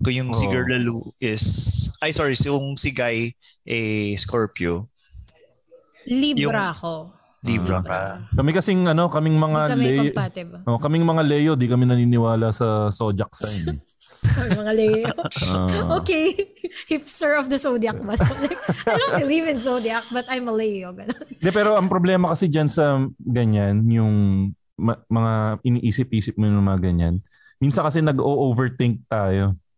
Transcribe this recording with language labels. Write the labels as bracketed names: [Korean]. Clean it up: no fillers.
[Filipino] Kung yung si Girl Lalu is... Ay, sorry. Yung si Guy, Scorpio. Libra ako. Libra. Kami kasing ano, kaming mga kami Leo. Oh, kaming mga Leo, di kami naniniwala sa zodiac sign. Mga [English] Leo. Okay. Hipster of the zodiac. But, like, I don't believe in zodiac, but I'm a Leo. [Filipino] De, pero ang problema kasi dyan sa ganyan, yung mga iniisip-isip mo yung mga ganyan, minsan kasi nag-o-overthink tayo.